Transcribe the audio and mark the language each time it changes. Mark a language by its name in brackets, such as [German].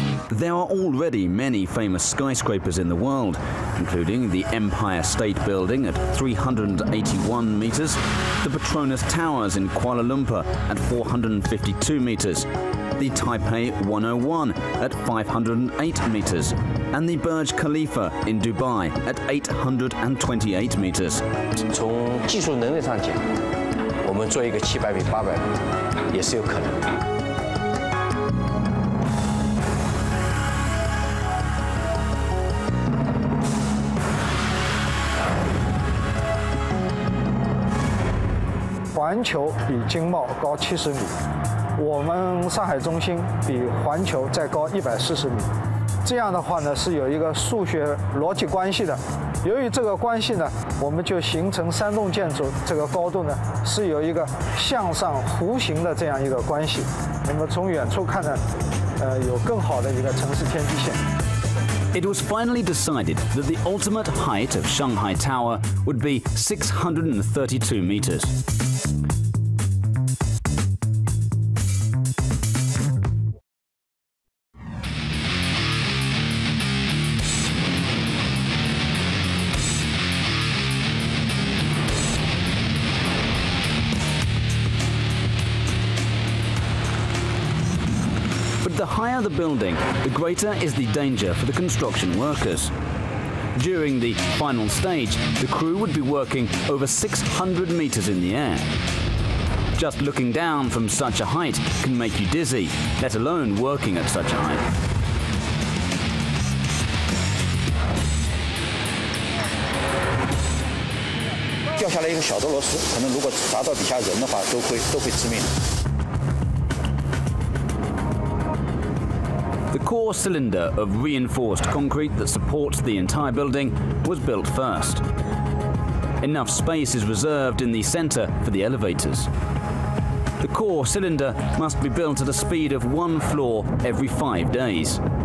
[English] There are already many famous skyscrapers in the world, including the Empire State Building at 381 meters, the Petronas Towers in Kuala Lumpur at 452 meters,the Taipei 101 at 508 meters, and the Burj Khalifa in Dubai at 828 meters. [Chinese] 从技术能力上讲，我们做一个700米、800米也是有可能。环球比经贸高70米。我们上海中心比环球再高140米，这样的话呢是有一个数学逻辑关系的。由于这个关系呢，我们就形成三栋建筑这个高度呢是有一个向上弧形的这样一个关系。那么从远处看呢，有更好的一个城市天际线。 [English] It was finally decided that the ultimate height of Shanghai Tower would be 632 meters. The building, the greater is the danger for the construction workers. During the final stage, the crew would be working over 600 meters in the air. Just looking down from such a height can make you dizzy, let alone working at such a height. [Chinese] 掉下来一个小的螺丝，可能如果砸到底下人的话，都会致命。 [English] The core cylinder of reinforced concrete that supports the entire building was built first. Enough space is reserved in the center for the elevators. The core cylinder must be built at a speed of one floor every 5 days.